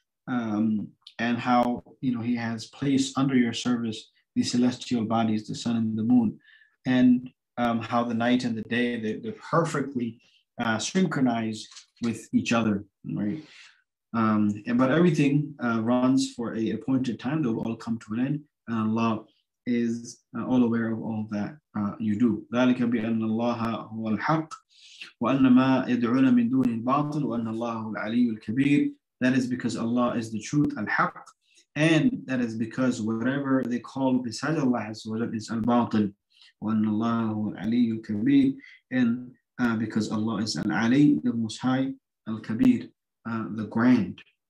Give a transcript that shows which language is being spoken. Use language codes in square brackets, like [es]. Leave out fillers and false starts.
[en] And how, you know, He has placed under your service the celestial bodies, the sun and the moon, and how the night and the day, they're perfectly synchronized with each other, right? But everything runs for a appointed time. They'll all come to an end, and Allah is all aware of all that you do. [ar] ذلك بأن الله هو الحق وأن ما يدعون من دونه الباطل وأن الله هو العلي الكبير. [en] That is because Allah is the truth, al-haq, and that is because whatever they call besides Allah is al-batil, [ar] وأن الله هو العلي الكبير, [en] and because Allah is al-ali, the most high, al-kabir, the grand.